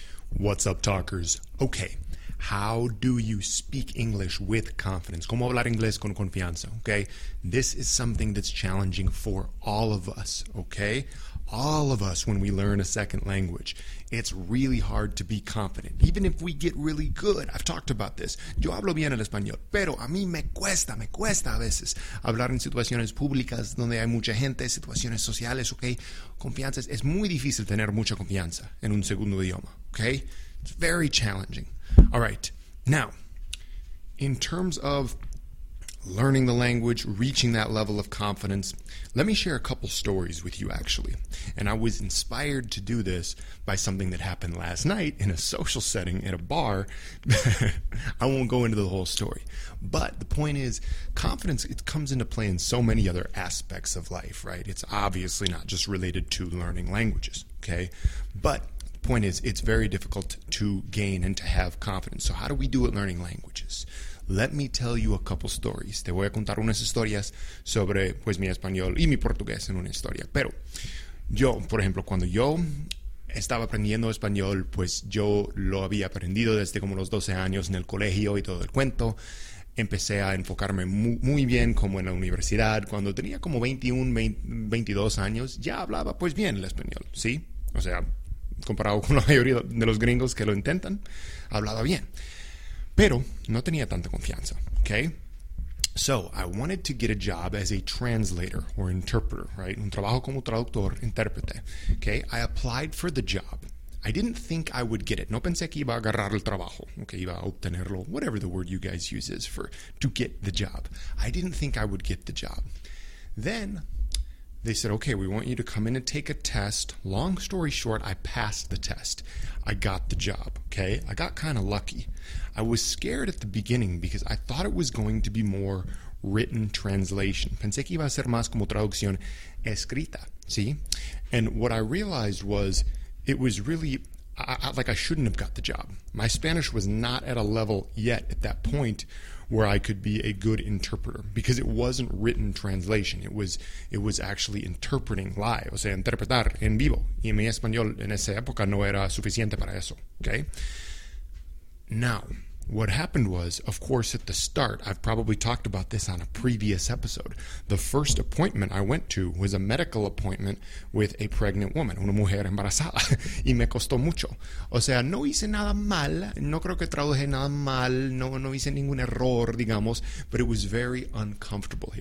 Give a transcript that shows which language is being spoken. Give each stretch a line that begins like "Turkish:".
English: What's up, talkers? Okay, how do you speak English with confidence?
Spanish: ¿Cómo hablar inglés con confianza?
English: Okay, this is something that's challenging for all of us, okay? All of us when we learn a second language. It's really hard to be confident. Even if we get really good, I've talked about this.
Spanish: Yo hablo bien el español, pero a mí me cuesta a veces hablar en situaciones públicas donde hay mucha gente, situaciones sociales, okay? Confianza, es muy difícil tener mucha confianza en un segundo idioma.
English: Okay, it's very challenging. All right, now, in terms of learning the language, reaching that level of confidence, let me share a couple stories with you, actually. And I was inspired to do this by something that happened last night in a social setting at a bar. I won't go into the whole story. But the point is, confidence, it comes into play in so many other aspects of life, right? It's obviously not just related to learning languages, okay? But point is, it's very difficult to gain and to have confidence. So how do we do it learning languages? Let me tell you a couple stories.
Spanish: Te voy a contar unas historias sobre pues mi español y mi portugués en una historia. Pero yo, por ejemplo, cuando yo estaba aprendiendo español, pues yo lo había aprendido desde como los 12 años en el colegio y todo el cuento. Empecé a enfocarme muy bien como en la universidad. Cuando tenía como 21, 22 años, ya hablaba pues bien el español, ¿sí? O sea, comparado con la mayoría de los gringos que lo intentan, hablaba bien. Pero no tenía tanta confianza,
English: okay? So, I wanted to get a job as a translator or interpreter, right?
Spanish: Un trabajo como traductor, intérprete, okay?
English: I applied for the job. I didn't think I would get it.
Spanish: No pensé que iba a agarrar el trabajo, okay? Iba a obtenerlo,
English: whatever the word you guys use is for to get the job. I didn't think I would get the job. Then they said, okay, we want you to come in and take a test. Long story short, I passed the test. I got the job, okay? I got kind of lucky. I was scared at the beginning because I thought it was going to be more written translation.
Spanish: Pensé que iba a ser más como traducción escrita, ¿sí?
English: And what I realized was it was really, I shouldn't have got the job. My Spanish was not at a level yet at that point where I could be a good interpreter, because it wasn't written translation. It was actually interpreting live,
Spanish: o sea, interpretar en vivo. Y mi español en esa época no era suficiente para eso, okay?
English: Now, what happened was, of course, at the start, I've probably talked about this on a previous episode, the first appointment I went to was a medical appointment with a pregnant woman,
Spanish: una mujer embarazada, y me costó mucho. O sea, no hice nada mal, no creo que traduje nada mal, no hice ningún error, digamos,
English: but it was very uncomfortable.